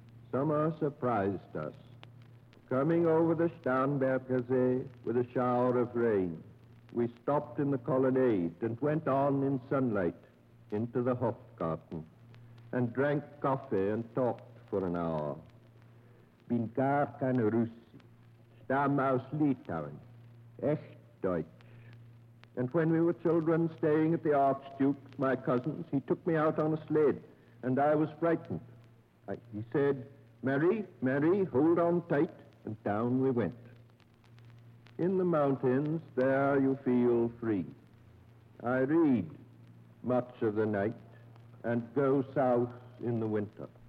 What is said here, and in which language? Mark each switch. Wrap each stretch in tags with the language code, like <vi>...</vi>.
<en>Summer surprised us, coming over the Starnberger See with a shower of rain. We stopped in the colonnade and went on in sunlight into the Hofgarten and drank coffee and talked for an hour.</en> <de>Bin gar kein Russi, stamm aus Litauen, echt Deutsch.</de> <en>And when we were children staying at the Archduke's, my cousins, he took me out on a sled and I was frightened. He said, Mary, Mary, hold on tight. And down we went. In the mountains, there you feel free. I read much of the night and go south in the winter.</en>